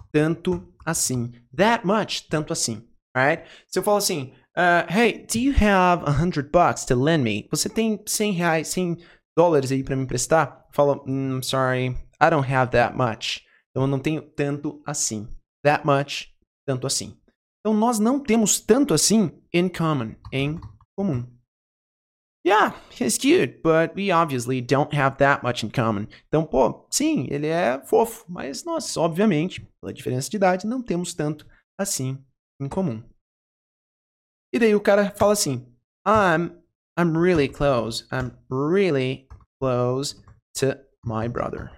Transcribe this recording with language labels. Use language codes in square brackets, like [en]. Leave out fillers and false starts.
[pt] Tanto assim. [en] That much, [pt] tanto assim. Alright? Se eu falo assim, [en] hey, do you have $100 to lend me? [pt] Você tem $100 aí pra me emprestar? Eu falo, [en] sorry, I don't have that much. [pt] Então, eu não tenho tanto assim. [en] That much, [pt] tanto assim. Então, nós não temos tanto assim [en] in common, [pt] em comum. [en] Yeah, he's cute, but we obviously don't have that much in common. [pt] Então, pô, sim, ele é fofo, mas nós, obviamente, pela diferença de idade, não temos tanto assim em comum. E daí o cara fala assim, [en] I'm really close to my brother.